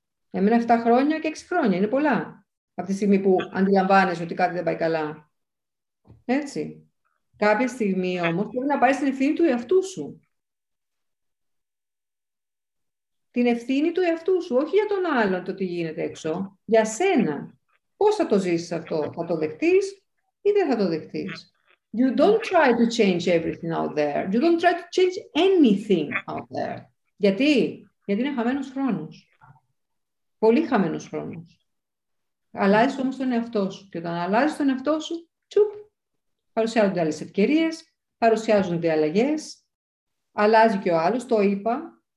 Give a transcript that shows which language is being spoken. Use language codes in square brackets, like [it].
[el] Έμενα 7 χρόνια και 6 χρόνια. Είναι πολλά. Από τη στιγμή που αντιλαμβάνεσαι ότι κάτι δεν πάει καλά. Έτσι. Κάποια στιγμή όμως πρέπει να πάρεις την ευθύνη του εαυτού σου. Την ευθύνη του εαυτού σου, όχι για τον άλλον το τι γίνεται έξω. Για σένα. Πώς θα το ζήσεις αυτό. Θα το δεχτείς ή δεν θα το δεχτείς. [en] You don't try to change everything out there. You don't try to change anything out there. [el] Γιατί είναι χαμένος χρόνος. Πολύ χαμένος χρόνος. Αλλάζεις όμως τον εαυτό σου. Και όταν αλλάζεις τον εαυτό σου, τσουπ. Παρουσιάζονται άλλες ευκαιρίες, παρουσιάζονται αλλαγές, αλλάζει και ο άλλος, το είπα.